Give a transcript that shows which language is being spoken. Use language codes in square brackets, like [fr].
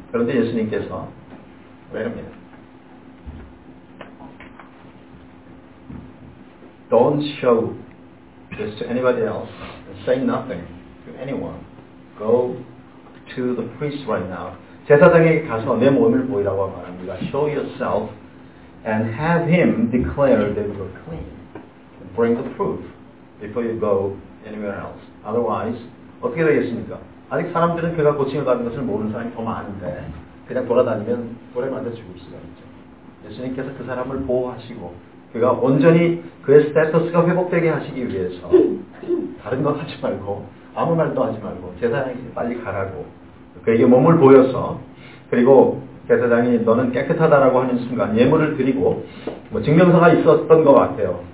[ko] 그런데 예수님께서 [en] Wait a minute. Don't show this to anybody else. Say nothing to anyone. Go to the priest right now. [ko] 제사장에게 가서 내 몸을 보이라고 말합니다. [en] Show yourself and have him declare that you are clean. Bring the proof before you go anywhere else. [ko] Otherwise, 어떻게 되겠습니까? 아직 사람들은 그가 고침을 받은 것을 모르는 사람이 더 많은데 그냥 돌아다니면 돌에 맞아 죽을 수가 있죠. 예수님께서 그 사람을 보호하시고 그가 온전히 그의 스태터스가 회복되게 하시기 위해서 다른 것 하지 말고 아무 말도 하지 말고 제사장에게 빨리 가라고 그에게 몸을 보여서 그리고 제사장이 너는 깨끗하다라고 하는 순간 예물을 드리고 뭐 증명서가 있었던 것 같아요.